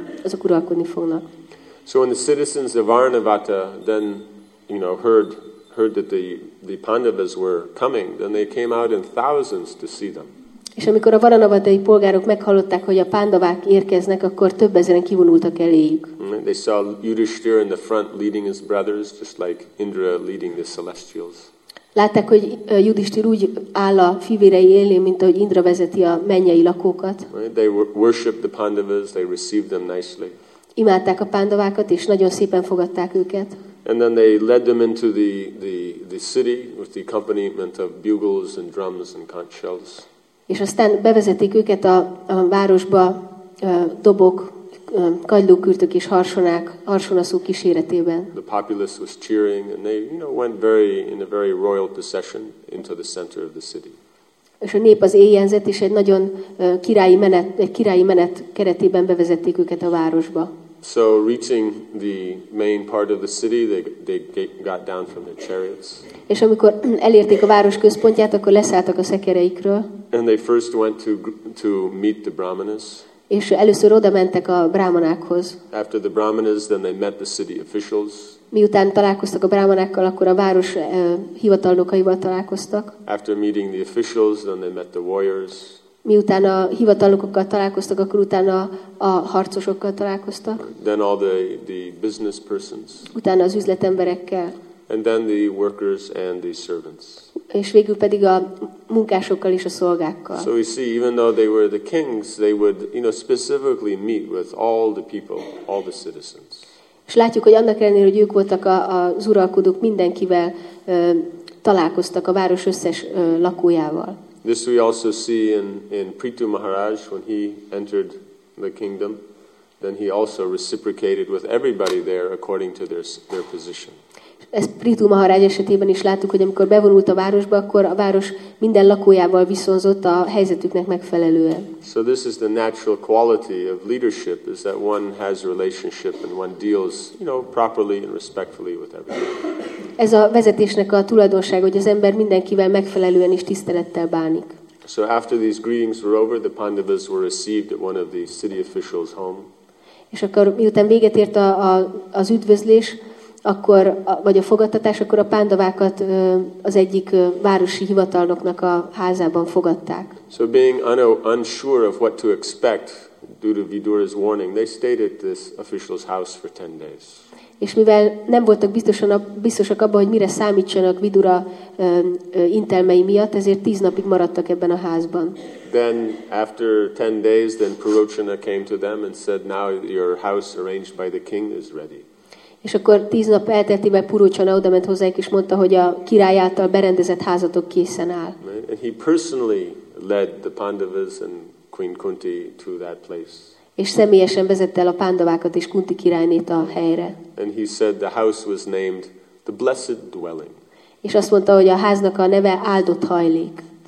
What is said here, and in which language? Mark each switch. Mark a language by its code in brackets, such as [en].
[en] So when the citizens of Varanavata then, you know, heard that the Pandavas were coming, then they came out in thousands to see them. [hu] És amikor a varanavatai polgárok meghallották, hogy a pándavák érkeznek, akkor több ezeren kivonultak eléjük. [en] They saw Yudhishthir in the front leading his brothers, just like Indra leading the celestials. [hu] Látták, hogy Yudhishthir úgy áll a fivérei élén, mint ahogy Indra vezeti a mennyei lakókat. [en] They worshiped the Pandavas, they received them nicely. [hu] Imádták a pándavákat, és nagyon szépen fogadták őket. [en] And then they led them into the city with the accompaniment of bugles and drums and conch shells. [hu] És aztán bevezették őket a városba dobok, kagylókürtök és harsonák, harsonaszók kíséretében. [en] The populace was cheering and they, you know, went in a very royal procession into the center of the city. [hu] És a nép az éjjelzett, és egy nagyon királyi menet keretében bevezették őket a városba. [en] So reaching the main part of the city, they got down from their chariots. [hu] És amikor elérték a város központját, akkor leszálltak a szekereikről. [en] And they first went to meet the brahmanas. [hu] És először oda mentek a brahmanákhoz. [en] After the brahmanas, then they met the city officials. [hu] Miután találkoztak a brahmanákkal, akkor a város hivatalnokaival találkoztak. [en] After meeting the officials, then they met the warriors. [hu] Miután a hivatalnokokkal találkoztak, akkor utána a harcosokkal találkoztak. [en] Then all the business persons. [hu] Utána az üzletemberekkel. [en] And then the workers and the servants. [hu] És végül pedig a munkásokkal és a szolgákkal. [en] So we see, even though they were the kings, they would, you know, specifically meet with all the people, all the citizens. [hu] És látjuk, hogy annak ellenére, hogy ők voltak az uralkodók, mindenkivel találkoztak a város összes lakójával. [en] This we also see in Prithu Maharaj when he entered the kingdom. Then he also reciprocated with everybody there according to their position. [hu] Ezt Prithu Maharaj esetében is láttuk, hogy amikor bevonult a városba, akkor a város minden lakójával viszonzott a helyzetüknek megfelelően. [en] So this is the natural quality of leadership, is that one has relationship and one deals, you know, properly and respectfully with everybody. [hu] Ez a vezetésnek a tulajdonság, hogy az ember mindenkivel megfelelően és tisztelettel bánik. [en] So after these greetings were over, the Pandavas were received at one of the city officials' home. [hu] És akkor miután véget ért az üdvözlés, akkor vagy a fogadtatás, akkor a pándavákat az egyik városi hivatalnoknak a házában fogadták. [en] So being unsure of what to expect due to Vidura's warning, they stayed at this official's house for 10 days. [hu] És mivel nem voltak biztosak abban, hogy mire számítsanak Vidura intelmei miatt, ezért 10 napig maradtak ebben a házban. [en] Then after 10 days, then Purochana came to them and said, "Now your house arranged by the king is ready." [hu] És akkor 10 nap elteltével Purochana odament hozzájuk, és mondta, hogy a király által berendezett házatok készen áll. [en] And he personally led the Pandavas and Queen Kunti to that place. [hu] És személyesen vezette el a pándavákat és Kunti királynét a helyre. [en] And he said the house was named the Blessed Dwelling. [hu] És azt mondta, hogy a háznak a neve áldott hajlék.